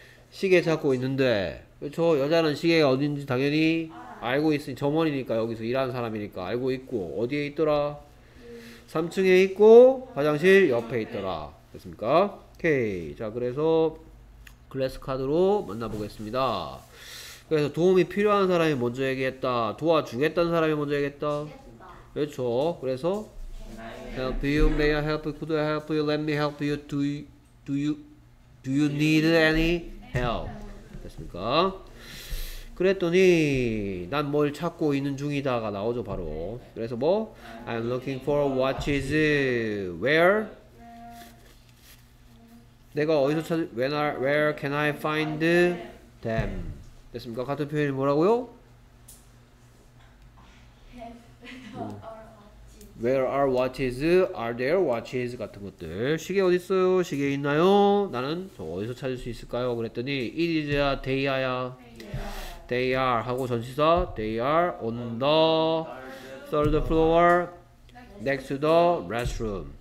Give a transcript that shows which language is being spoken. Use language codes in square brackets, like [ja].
[ko] 시계 찾고 있는데, 그렇죠? 여자는 시계가 어딘지 당연히 알고 있으니 점원이니까 여기서 일하는 사람이니까 알고 있고 어디에 있더라? 3층에 있고 화장실 옆에 있더라. 됐습니까? 오케이. 자, 그래서 글래스 카드로 만나보겠습니다. 그래서 도움이 필요한 사람이 먼저 얘기했다. 도와주겠다는 사람이 먼저 얘기했다. 그렇죠? [en] 그래서 help you, may I help you, could I help you, let me help you, do you need any help? [ko] 됐습니까? 그랬더니 난 뭘 찾고 있는 중이다가 나오죠. 바로. 그래서 뭐? [en] I'm looking for watches. Where? [ko] 내가 어디서 찾을? [en] Where can I find them? [ko] 됐습니까? 같은 표현이 뭐라고요? [en] Where are watches? Are there watches? [ko] 같은 것들. 시계 어디 있어요? 시계 있나요? 나는 저 어디서 찾을 수 있을까요? 그랬더니 [en] It is a they are. They are [ko] 하고 전치사 [en] they are on the third floor next to the restroom.